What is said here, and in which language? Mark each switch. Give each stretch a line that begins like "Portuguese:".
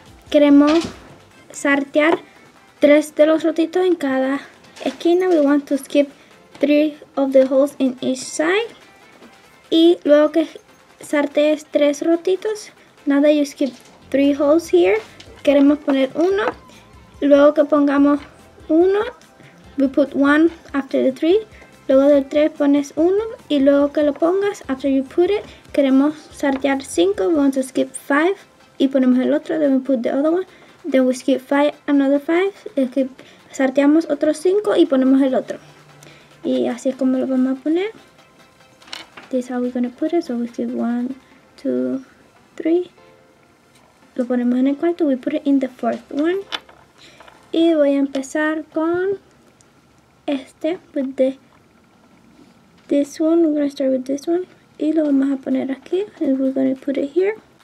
Spanish: Queremos sartear 3 de los rotitos en cada esquina.
English: We want to skip 3 of the holes in each side.
Spanish: Y luego que sartees 3 rotitos,
English: now that you skip 3 holes here,
Spanish: queremos poner 1. Luego que pongamos 1,
English: we put 1 after the 3.
Spanish: Luego del 3 pones 1. Y luego que lo pongas,
English: after you put it,
Spanish: queremos sartear 5.
English: We want to skip 5.
Spanish: Y ponemos el otro,
English: then we put the other one. Then we skip 5, another 5, skip,
Spanish: sarteamos otros 5 y ponemos el otro. Y así es como lo vamos a poner.
English: This is how we're going to put it, so we skip 1, 2, 3,
Spanish: lo ponemos en el cuarto.
English: We put it in the fourth one.
Spanish: Y voy a empezar con este,
English: with the this one. We're gonna start with this one.
Spanish: Y lo vamos a poner aquí.
English: And we're gonna put it here.